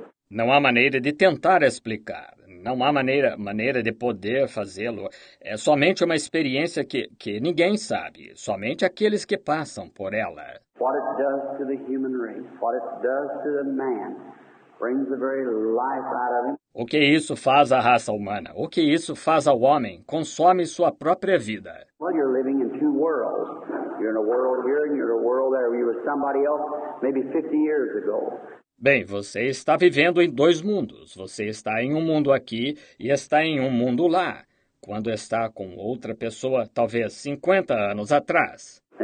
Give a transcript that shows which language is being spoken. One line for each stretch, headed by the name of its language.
Portuguese: Não há maneira de tentar explicar. Não há maneira de poder fazê-lo. É somente uma experiência que ninguém sabe. Somente aqueles que passam por ela.
English: What it does to the human race, what it does to the man, brings the very life out of him.
Portuguese: O que isso faz à raça humana? O que isso faz ao homem? Consome sua própria vida.
English: Well, you're living in two worlds. You're in a world here and you're in a world there. You were somebody else maybe 50 years ago.
Portuguese: Bem, você está vivendo em dois mundos. Você está em um mundo aqui e está em um mundo lá, quando está com outra pessoa, talvez 50 anos atrás.